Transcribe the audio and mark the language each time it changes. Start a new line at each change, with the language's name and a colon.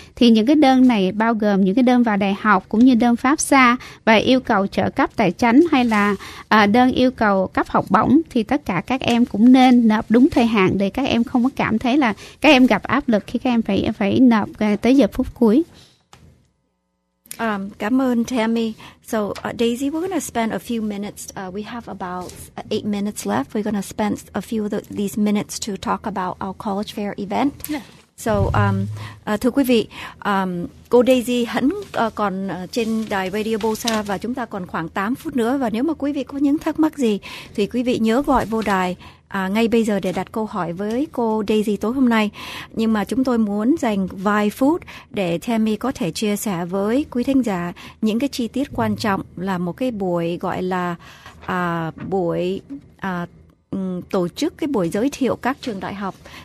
Vietnamese: Thì những cái đơn này bao gồm những cái đơn vào đại học cũng như đơn pháp xa và yêu cầu trợ cấp tài chính hay là đơn yêu cầu cấp học bổng, thì tất cả các em cũng nên nộp đúng thời hạn để các em không có cảm thấy là các em gặp áp lực khi các em phải nộp tới giờ phút cuối. Cảm ơn Tammy.
English: So Daisy, we're going to spend a few minutes. We have about 8 minutes left. We're going to spend a few of these minutes to talk about our college fair event. Yeah.
Vietnamese: So thưa quý vị, cô Daisy vẫn còn trên đài Radio Bosa và chúng ta còn khoảng 8 phút nữa. Và nếu mà quý vị có những thắc mắc gì thì quý vị nhớ gọi vô đài ngay bây giờ để đặt câu hỏi với cô Daisy tối hôm nay. Nhưng mà chúng tôi muốn dành vài phút để Tammy có thể chia sẻ với quý thính giả những cái chi tiết quan trọng là một cái buổi gọi là buổi tổ chức cái buổi giới thiệu các trường đại học.